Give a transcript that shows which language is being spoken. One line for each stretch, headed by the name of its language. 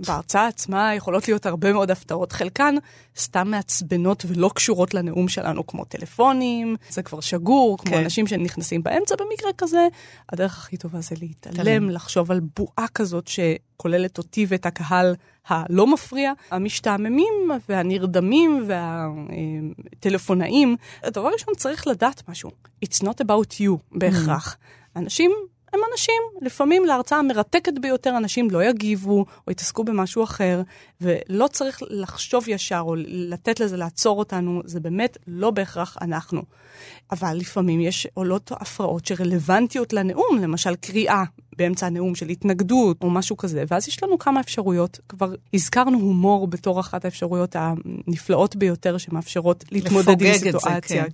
Hebrew: בהרצאה עצמה יכולות להיות הרבה מאוד הפתעות, חלקן סתם מעצבנות ולא קשורות לנאום שלנו, כמו טלפונים, זה כבר שגור, כמו אנשים שנכנסים באמצע במקרה כזה. הדרך הכי טובה זה להתעלם, לחשוב על בועה כזאת שכוללת אותי ואת הקהל הלא מפריע, המשתעממים והנרדמים והטלפונאים. הדבר ראשון, צריך לדעת משהו.
English: It's not about you, בהכרח.
Hebrew: אנשים הם אנשים, לפעמים להרצאה המרתקת ביותר, אנשים לא יגיבו או יתעסקו במשהו אחר, ולא צריך לחשוב ישר או לתת לזה לעצור אותנו, זה באמת לא בהכרח אנחנו. אבל לפעמים יש עולות הפרעות שרלוונטיות לנאום, למשל קריאה באמצע הנאום של התנגדות או משהו כזה, ואז יש לנו כמה אפשרויות, כבר הזכרנו הומור בתור אחת האפשרויות הנפלאות ביותר שמאפשרות להתמודד עם סיטואציה,